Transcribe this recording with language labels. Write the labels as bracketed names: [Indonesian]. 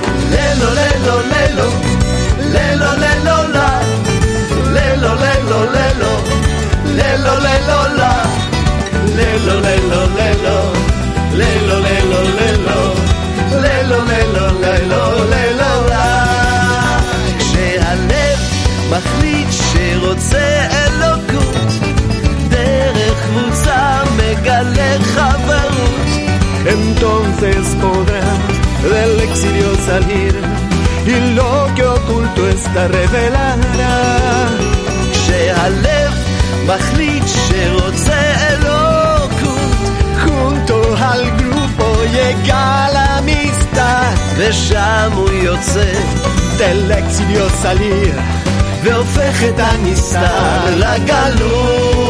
[Hebrew] ללו ללו ללו ללו ללו לא ללו ללו ללו ללו ללו לא ללו ללו ללו ללו ללו ללו ללו ללו ללו ללו לא. כשהלב מחליט שרוצה אלוקות דרך מוצא מגלה חברות. [Spanish] Entonces podrá del exilio salir y lo que oculto está revelará. [Hebrew] שהלב מחליט שרוצה אלוקות [Spanish] junto al grupo llega la amistad. [Hebrew] ושם הוא יוצא [Spanish] del exilio salir [Hebrew] והופך את הנסתר לגלות.